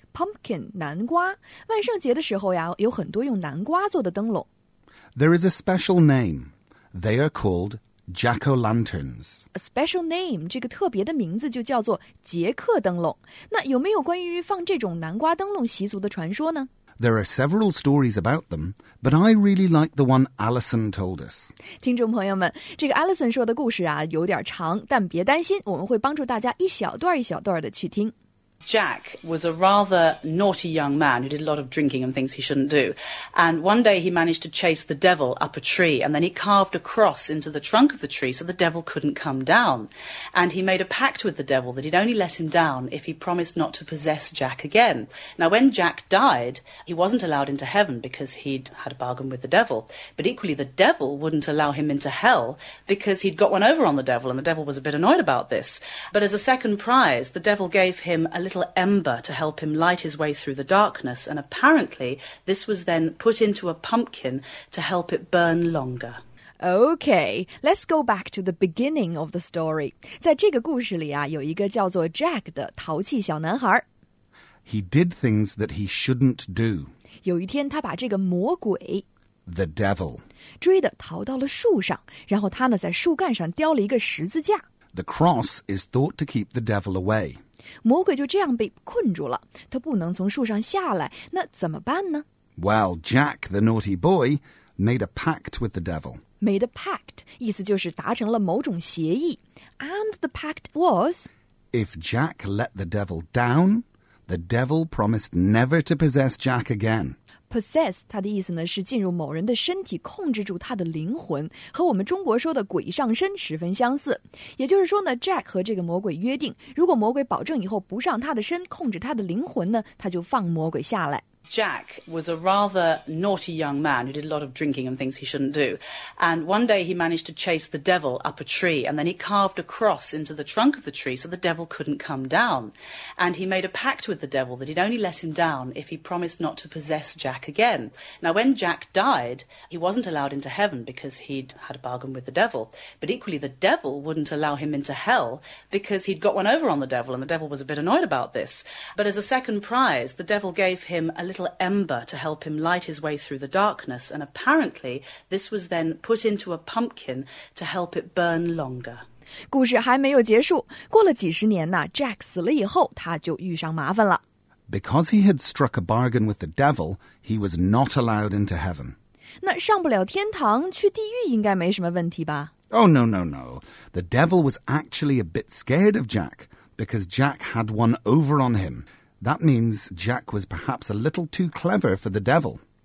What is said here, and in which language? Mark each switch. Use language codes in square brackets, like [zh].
[zh] Pumpkin, 南瓜。万圣节的时候呀，有很多用南瓜做的灯笼。 [en] There is a special name. They are called... Jack-o'-lanterns. A special name, [zh] 这个特别的名字就叫做杰克灯笼。那有没有关于放这种南瓜灯笼习俗的传说呢? [en] There are several stories about them, but I really like the one Alison told us. [zh] 听众朋友们,这个 Alison 说的故事啊,有点长,但别担心,我们会帮助大家一小段一小段的去听。 [en] Jack was a rather naughty young man who did a lot of drinking and things he shouldn't do. And one day he managed to chase the devil up a tree, and then he carved a cross into the trunk of the tree so the devil couldn't come down. And he made a pact with the devil that he'd only let him down if he promised not to possess Jack again. Now, when Jack died, he wasn't allowed into heaven because he'd had a bargain with the devil. But equally, the devil wouldn't allow him into hell because he'd got one over on the devil, and the devil was a bit annoyed about this. But as a second prize, the devil gave him a little ember to help him light his way through the darkness, and apparently this was then put into a pumpkin to help it burn longer. Okay, let's go back to the beginning of the story. [zh] 在这个故事里啊，有一个叫做 Jack 的淘气小男孩。 [en] He did things that he shouldn't do. [zh] 有一天他把这个魔鬼 [en] The devil [zh] 追的逃到了树上，然后他呢在树干上雕了一个十字架。 [en] The cross is thought to keep the devil away. [zh] 魔鬼就这样被困住了，他不能从树上下来，那怎么办呢？ [en] Well, Jack, the naughty boy, made a pact with the devil. Made a pact, [zh] 意思就是达成了某种协议。 [en] And the pact was... If Jack let the devil down, the devil promised never to possess Jack again. [zh] Possess, 它的意思呢是进入某人的身体，控制住他的灵魂，和我们中国说的鬼上身十分相似。也就是说呢 ,Jack 和这个魔鬼约定，如果魔鬼保证以后不上他的身，控制他的灵魂呢，他就放魔鬼下来。 [en] Jack was a rather naughty young man who did a lot of drinking and things he shouldn't do. And one day he managed to chase the devil up a tree, and then he carved a cross into the trunk of the tree so the devil couldn't come down. And he made a pact with the devil that he'd only let him down if he promised not to possess Jack again. Now, when Jack died, he wasn't allowed into heaven because he'd had a bargain with the devil. But equally, the devil wouldn't allow him into hell because he'd got one over on the devil, and the devil was a bit annoyed about this. But as a second prize, the devil gave him a little ember to help him light his way through the darkness, and apparently this was then put into a pumpkin to help it burn longer. [zh] 故事还没有结束，过了几十年呢， Jack 死了以后他就遇上麻烦了。 [en] Because he had struck a bargain with the devil, he was not allowed into heaven. [zh] 那上不了天堂，去地狱应该没什么问题吧？ [en] Oh no no no, the devil was actually a bit scared of Jack because Jack had one over on him. That means Jack was perhaps a little too clever for the devil.